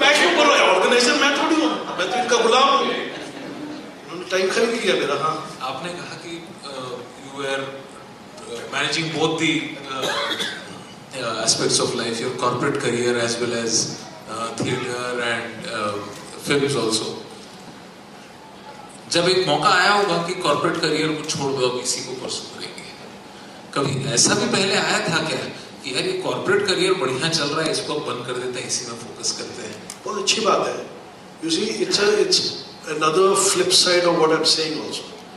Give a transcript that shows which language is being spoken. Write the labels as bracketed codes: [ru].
[hi] मैं क्यों बोल रहा हूं, ऑर्गेनाइजर मैं थोड़ी हूं, मैं तो इनका गुलाम हूं. उन्होंने टाइम खरीद लिया मेरा. हां, आपने कहा कि [en] You are managing both the aspects of life, your corporate career as well as theater and films also. [hi] जब एक मौका आया होगा कि corporate career को छोड़ दो, इसी को pursue करेंगे, कभी ऐसा भी पहले आया था क्या कि यार ये corporate career बढ़िया चल रहा है, इसको बंद कर देते हैं, इसी में focus करते हैं? बहुत अच्छी बात है. [en] You see, it's another flip side of what I'm saying also.